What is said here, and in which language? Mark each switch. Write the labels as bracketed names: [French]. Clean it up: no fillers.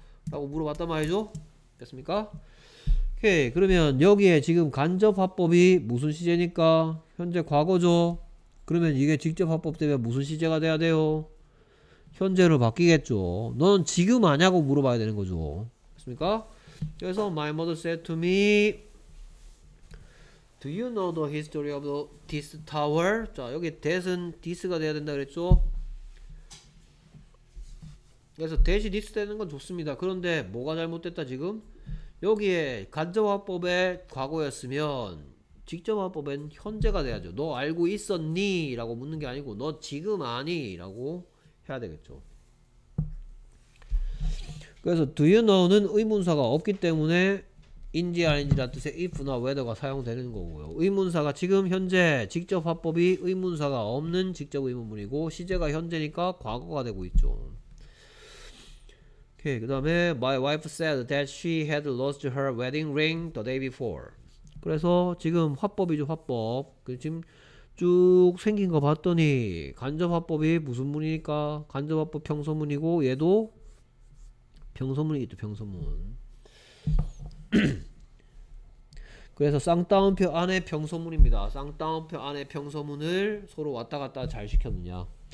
[Korean] 라고 물어봤단 말이죠. 됐습니까? 오케이. 그러면 여기에 지금 간접화법이 무슨 시제니까 현재 과거죠. 그러면 이게 직접화법 되면 무슨 시제가 돼야 돼요? 현재로 바뀌겠죠. 넌 지금 아냐고 물어봐야 되는 거죠. 됐습니까? 그래서 [English] My mother said to me, Do you know the history of this tower? [Korean] 자, 여기 that은 this가 돼야 된다 그랬죠? 그래서 that이 this 되는 건 좋습니다. 그런데 뭐가 잘못됐다 지금? 여기에 간접화법의 과거였으면 직접화법엔 현재가 돼야죠. 너 알고 있었니? 라고 묻는 게 아니고 너 지금 아니? 라고 해야 되겠죠. 그래서 do you know는 의문사가 없기 때문에 인지 아닌지란 뜻의 if나 whether가 사용되는 거고요. 의문사가 지금 현재 직접 화법이 의문사가 없는 직접 의문문이고 시제가 현재니까 과거가 되고 있죠. 오케이. 그 다음에 [English] My wife said that she had lost her wedding ring the day before. [Korean] 그래서 지금 화법이죠, 화법. 지금 쭉 생긴 거 봤더니 간접 화법이 무슨 문이니까 간접 화법 평소문이고 얘도 평소문이겠죠, 평소문. 그래서 쌍따옴표 안에 평소문입니다. 쌍따옴표 안에 평소문을 서로 왔다 갔다 잘 시켰느냐.